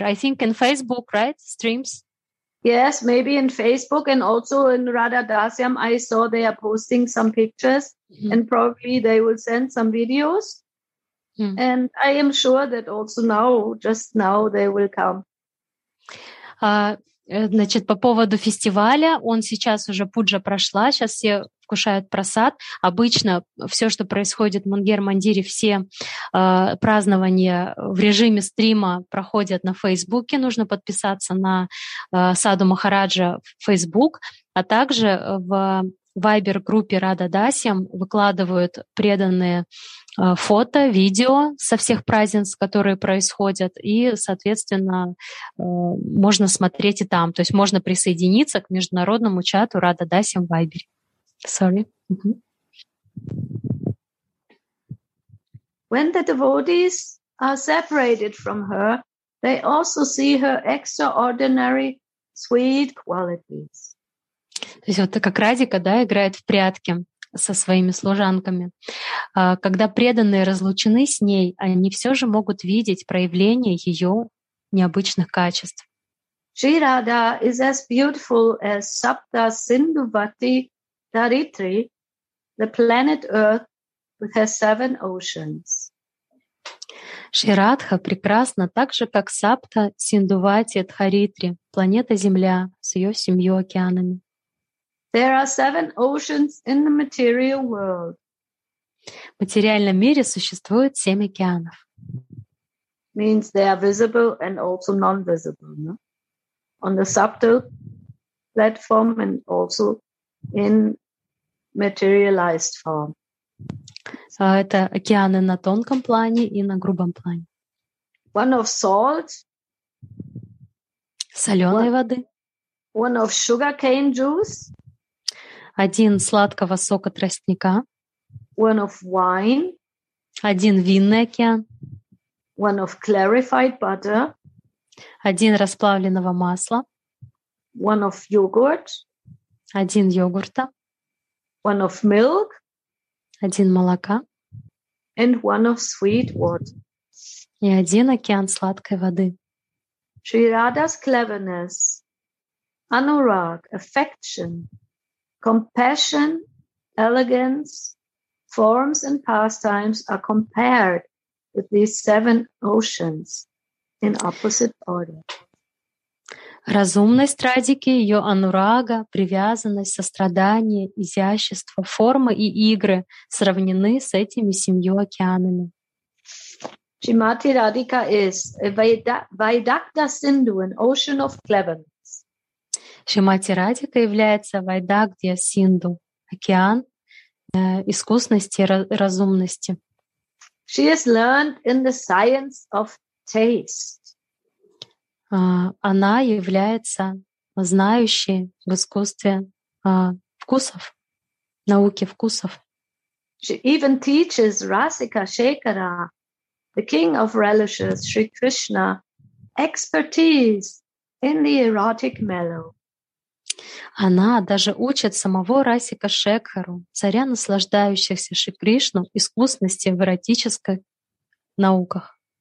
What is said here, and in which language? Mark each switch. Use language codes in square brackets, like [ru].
[en] I think in Facebook, right? Streams? Yes, maybe in Facebook and also in Radha Dasyam. I saw they are posting some pictures and probably they will send some videos. Mm-hmm. And I am sure that also now, just now, they will come. [ru] Значит, по поводу фестиваля, он сейчас уже пуджа прошла, сейчас все вкушают просад. Обычно все, что происходит в Мангер-Мандире, все празднования в режиме стрима проходят на Фейсбуке. Нужно подписаться на Саду Махараджа в Фейсбук, а также в Вайбер-группе Радха Дасьям выкладывают преданные фото, видео со всех празднеств, которые происходят, и, соответственно, можно смотреть и там. То есть можно присоединиться к международному чату Радха Дасьям в Вайбере. [en] Sorry. Mm-hmm. When the devotees are separated from her, they also see her extraordinary sweet qualities. [ru] То есть вот как Радика, да, играет в прятки со своими служанками. Когда преданные разлучены с ней, они все же могут видеть проявление ее необычных качеств. [en] Shri Radha is as beautiful as Sapta Sindhuvati Daritri, the planet Earth, with her seven oceans. [ru] Шри Радха прекрасна так же, как Сапта, Синдувати, Дхаритри, планета Земля с ее семью океанами. [en] There are seven oceans in the material world. [ru] В материальном мире существует семь океанов. [en] Means they are visible and also non-visible, no? On the subtle platform and also in materialized form. [ru] Это океаны на тонком плане и на грубом плане. [en] One of salt. [ru] Соленой воды. [en] One of sugar cane juice. [ru] Один сладкого сока тростника. [en] One of wine. [ru] Один винный океан. [en] One of clarified butter. [ru] Один расплавленного масла. [en] One of yogurt. [ru] Один йогурта. [en] One of milk. [ru] Один молока. [en] And one of sweet water. [ru] И один океан сладкой воды. [en] Shri Radha's cleverness, anurag, affection, compassion, elegance, forms and pastimes are compared with these seven oceans in opposite order. [ru] Разумность Радики, ее анурага, привязанность, сострадание, изящество, формы и игры сравнены с этими семью океанами. [en] Shrimati Radhika is Vaidakta Sindhu, an ocean of cleverness. [ru] Shrimati Radhika является Vaidakta Sindhu, океан искусности и разумности. [en] She has learned in the science of taste. [ru] Она является знающей в искусстве вкусов, науки вкусов. [en] She even teaches Rasika Shekara, the king of relishes, Shri Krishna, expertise in the erotic mellow. [ru] Она даже учит самого Расика Шекхару, царя наслаждающихся Шри Кришну, искусности в эротических науках.